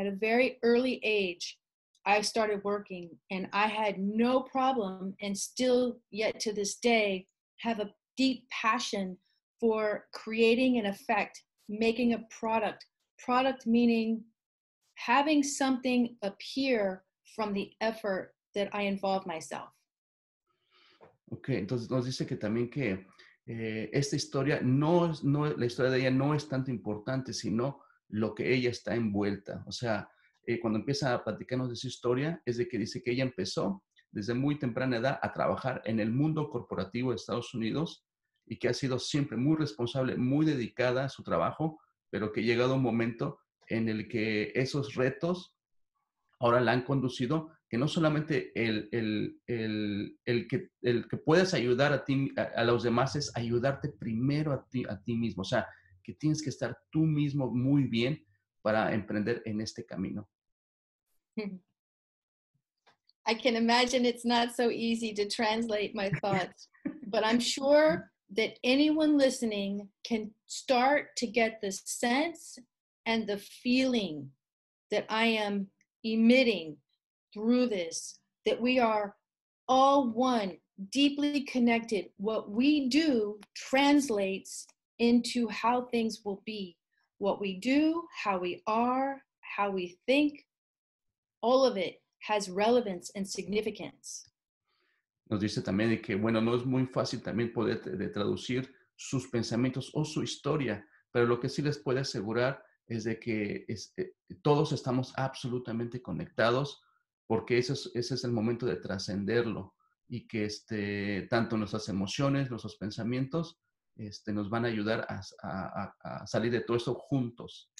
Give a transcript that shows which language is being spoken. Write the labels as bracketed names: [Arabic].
[English] At a very early age, I started working and I had no problem, and still yet to this day have a deep passion for creating an effect, making a product. Product meaning having something appear from the effort that I involve myself. [Spanish] Okay, entonces nos dice que también que esta historia, no, la historia de ella no es tanto importante, sino lo que ella está envuelta. O sea, cuando empieza a platicarnos de su historia, es de que dice que ella empezó desde muy temprana edad a trabajar en el mundo corporativo de Estados Unidos, y que ha sido siempre muy responsable, muy dedicada a su trabajo, pero que ha llegado un momento en el que esos retos ahora la han conducido, que no solamente el que puedes ayudar a ti, a los demás, es ayudarte primero a ti mismo. O sea, que tienes que estar tú mismo muy bien para emprender en este camino. [English] I can imagine it's not so easy to translate my thoughts, but I'm sure that anyone listening can start to get the sense and the feeling that I am emitting through this, that we are all one, deeply connected. What we do translates into how things will be. What we do, how we are, how we think, all of it has relevance and significance. [Spanish] Nos dice también que, bueno, no es muy fácil también poder de traducir sus pensamientos o su historia, pero lo que sí les puede asegurar es de que todos estamos absolutamente conectados, porque ese es el momento de trascenderlo, y que tanto nuestras emociones, nuestros pensamientos, nos van a ayudar a salir de todo eso juntos.